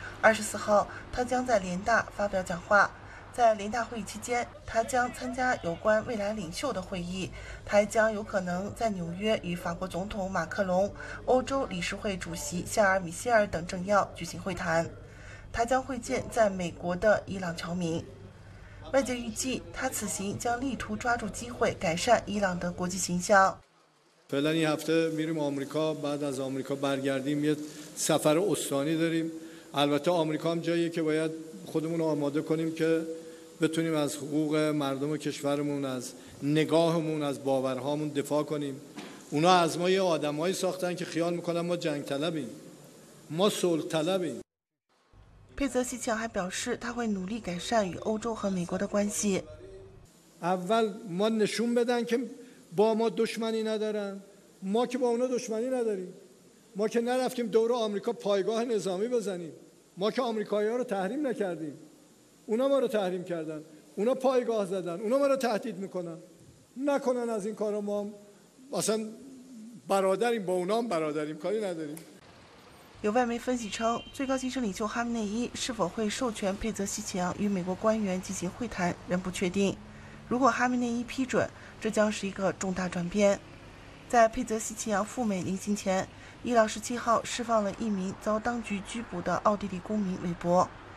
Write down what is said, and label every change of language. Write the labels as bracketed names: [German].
[Chinese] 24号，他将在联大发表讲话。在联大会议期间，他将参加有关未来领袖的会议，他还将有可能在纽约与法国总统马克龙、欧洲理事会主席夏尔·米歇尔等政要举行会谈，他将会见在美国的伊朗侨民。外界预计他此行将力图抓住机会改善伊朗的国际形象。 [Persian] فلانی هفته میریم آمریکا، بعد از آمریکا برگردیم یه سفر استانی داریم. البته آمریکا هم جاییه که بایدخودمون رو آماده کنیم که بتونیم از حقوق مردم و کشورمون، از نگاهمون، از باورهامون دفاع کنیم. اونا از ما یه آدمهایی ساختن که خیال میکنن ما جنگ طلبیم، ما صلح طلبیم. [Chinese] 佩泽西强还表示，他会努力改善与欧洲和美国的关系。 [Persian] اول ما نشون بدن که با ما دشمنی ندارن، ما که با اونا دشمنی نداریم، ما که نرفتیم دور آمریکا پایگاه نظامی بزنیم.ما که آمریکایی‌ها رو تحریم نکردیم، اونا ما رو تحریم کردن. اونا پایگاه زدن اونا ما رو تهدید میکنن نکنن از این کارا ما اصلا برادریم با اونا هم برادریم کاری نداریم [Chinese] 有外媒分析称，最高级政理就哈姆内伊是否会授权佩泽西奇扬与美国官员进行会谈仍不确定。如果哈姆内伊批准，这将是一个重大转变。在佩泽西奇扬赴美临行前，伊朗十七号释放了一名遭当局拘捕的奥地利公民韦伯。